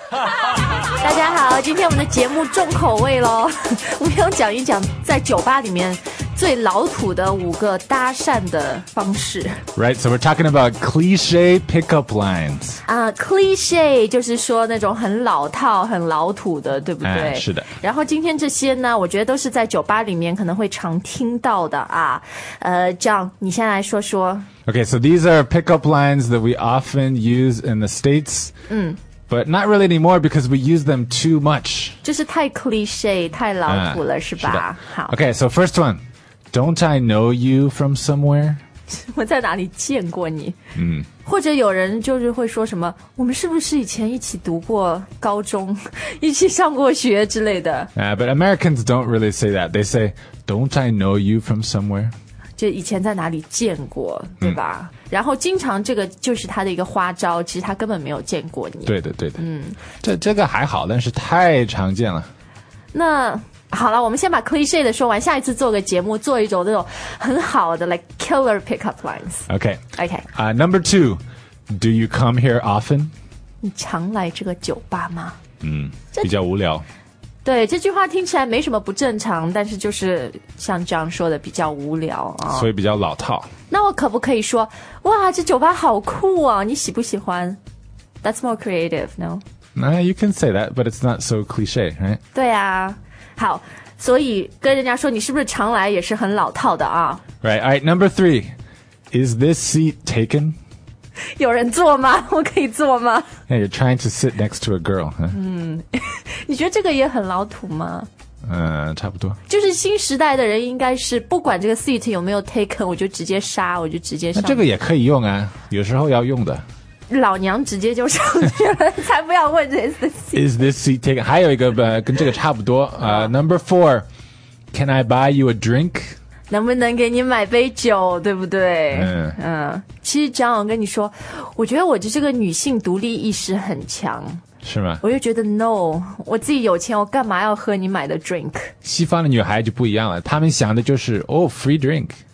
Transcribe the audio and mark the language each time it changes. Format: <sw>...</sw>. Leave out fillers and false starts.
<zh>大家好，今天我们的节目重口味喽，我们要讲一讲在酒吧里面最老土的五个搭讪的方式。</zh> <en>Right, so we're talking about cliche pickup lines.</en> <zh>Cliche 就是说那种很老套、很老土的，对不对？是的。然后今天这些呢，我觉得都是在酒吧里面可能会常听到的啊。 John, 你先来说说。</zh> <en>Okay, so these are pickup lines that we often use in the States. But not really anymore because we use them too much.</en> <zh>就是太 cliche, 太老土了、是吧？是的。好。</zh> <en>Okay, so first one. Don't I know you from somewhere?</en> <zh>我在哪里见过你？或者有人就是会说什么，我们是不是以前一起读过高中，一起上过学之类的。</zh> <en>But Americans don't really say that. They say, don't I know you from somewhere?</en> <zh>就以前在哪里见过，对吧？然后经常这个就是他的一个花招，其实他根本没有见过你。对的，对的。这个还好，但是太常见了。那好了，我们先把 cliche 的说完，下一次做个节目，做一种那种很好的</zh> <en>like killer pickup lines。 OK. Number two, do you come here often?</en> <zh>你常来这个酒吧吗？比较无聊。对，这句话听起来没什么不正常，但是就是像这样说的比较无聊、所以比较老套。那我可不可以说，哇，这酒吧好酷啊，你喜不喜欢？</zh> <en>That's more creative, no? You can say that, but it's not so cliche, right?</en> <zh>对啊，好，所以跟人家说你是不是常来也是很老套的啊。</zh> <en>Right, number three, is this seat taken?</en> <zh>有人坐吗？我可以坐吗？</zh> <en>Yeah, you're trying to sit next to a girl, huh?</en> <zh>你觉得这个也很老土吗？差不多。就是新时代的人应该是不管这个 seat 有没有 taken, 我就直接杀，我就直接上。那这个也可以用啊，有时候要用的。老娘直接就上去了，才不要问这个 seat.</zh> <en>Is this seat taken?</en> <zh>还有一个跟这个差不多。</zh> <en>Number four, can I buy you a drink?</en> <zh>能不能给你买杯酒，对不对？其实张总跟你说，我觉得我的这个女性独立意识很强，是吗？我就觉得 no, 我自己有钱，我干嘛要喝你买的 drink? 西方的女孩就不一样了，她们想的就是</zh> <en>oh, free drink.</en>